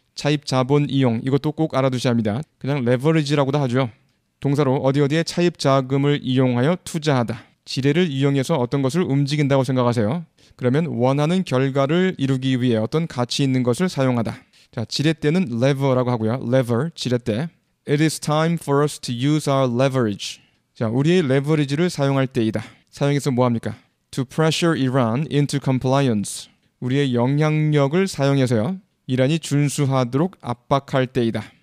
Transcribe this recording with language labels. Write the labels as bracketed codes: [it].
[ko] 차입자본 이용. 이것도 꼭 알아두셔야 합니다. 그냥 레버리지라고도 하죠. 동사로 어디 어디에 차입자금을 이용하여 투자하다. 지뢰를 이용해서 어떤 것을 움직인다고 생각하세요. 그러면 원하는 결과를 이루기 위해 어떤 가치 있는 것을 사용하다. 자, 지렛대는 lever라고 하고요. lever, 지렛대. [en] It is time for us to use our leverage. [ko] 자, 우리의 레버리지를 사용할 때이다. 사용해서 뭐합니까? [en] To pressure Iran into compliance. [ko] 우리의 영향력을 사용해서요. 이란이 준수하도록 압박할 때이다.